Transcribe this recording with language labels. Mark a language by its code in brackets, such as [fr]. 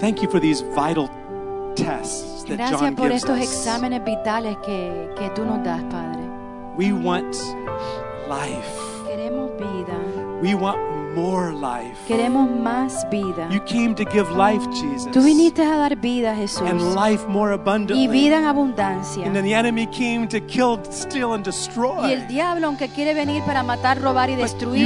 [en] Thank you for these vital tests that John gives us. [es] Gracias por estos exámenes vitales que tú nos das, Padre. [en] We want life. [es] Queremos vida. [en] We want more life. [es] Queremos más vida. [en] You came to give life, Jesus. [es] Tú viniste a dar vida, Jesús. [en] And life more abundantly. [es] Y vida en abundancia. [en] And then the enemy came to kill, steal, and destroy. [es] Y el diablo, aunque quiere venir para matar, robar y destruir,